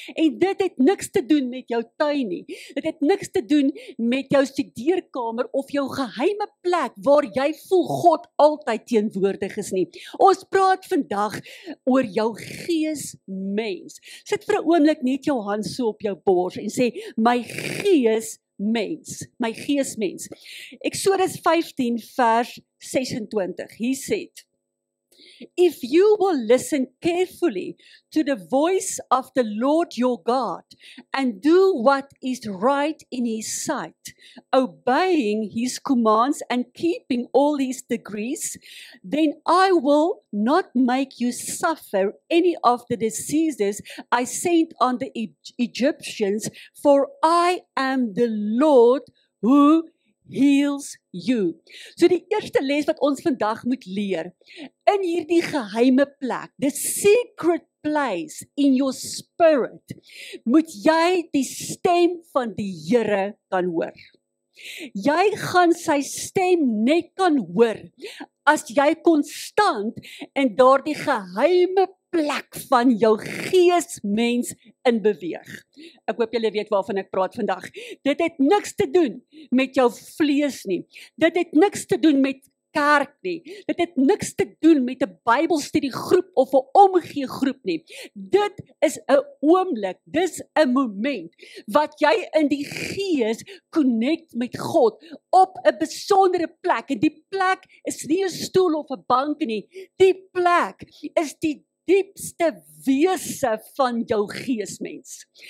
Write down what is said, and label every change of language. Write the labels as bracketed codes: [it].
[af] En dit het niks te doen met jou tuin nie. Dit het niks te doen met jou studeerkamer of jou geheime plek waar jy voel God altyd teenwoordig is nie. Ons praat vandag oor jou gees, mens. Sit vir 'n oomblik net jou hand so op jou bors en sê, my gees, mens. My gees, mens. Exodus 15 vers 26. Hier sê het, [en] if you will listen carefully to the voice of the Lord your God and do what is right in his sight, obeying his commands and keeping all his decrees, then I will not make you suffer any of the diseases I sent on the Egyptians, for I am the Lord who heals you. [af] So die eerste les wat ons vandag moet leer, in hierdie geheime plek, [en] the secret place in your spirit, [af] moet jy die stem van die Here kan hoor. Jy gaan sy stem net kan hoor as jy konstant in daardie geheime plek van jou gees, mens, in beweeg. Ek hoop julle weet waarvan ek praat vandag. Dit het niks te doen met jou vlees nie. Dit het niks te doen met kerk nie. Dit het niks te doen met 'n Bybelstudiegroep of 'n omgee groep nie. Dit is 'n oomblik, dis 'n moment wat jy in die gees connect met God op 'n besondere plek. En die plek is nie 'n stoel of 'n bank nie. Die plek is die diepste wese van jou gees, mens.